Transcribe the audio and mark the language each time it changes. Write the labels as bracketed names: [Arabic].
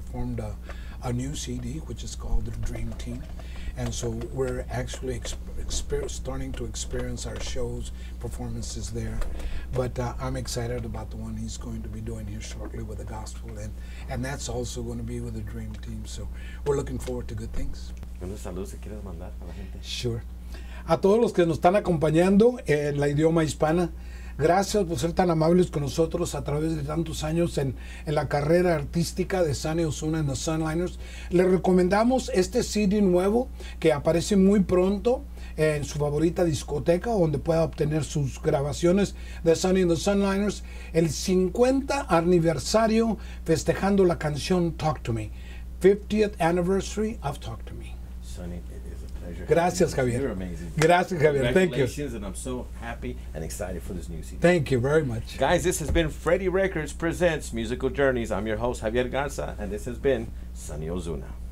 [English] formed a new CD, which is called The Dream Team. And so we're actually starting to experience our shows, performances there. But I'm excited about the one he's going to be doing here shortly with the gospel. And that's also going to be with the Dream Team. So we're looking forward to good things. [Spanish] ¿Unos saludos que quieres mandar a la gente? [English] Sure. [Spanish] A todos los que nos están acompañando en la idioma hispana, gracias por ser tan amables con nosotros a través de tantos años en la carrera artística de Sunny Ozuna and the Sunliners. Les recomendamos este CD nuevo que aparece muy pronto en su favorita discoteca, donde pueda obtener sus grabaciones de Sunny and the Sunliners, el 50 aniversario festejando la canción Talk to Me, [English] 50th anniversary of Talk to Me. [Spanish] Sunny. Gracias, Javier. [English] You're amazing. [Spanish] Gracias, [English] Javier. Thank you. Congratulations, and I'm so happy and excited for this new CD. Thank you very much. Guys, this has been Freddie Records Presents Musical Journeys. I'm your host, Javier Garza, and this has been Sunny Ozuna.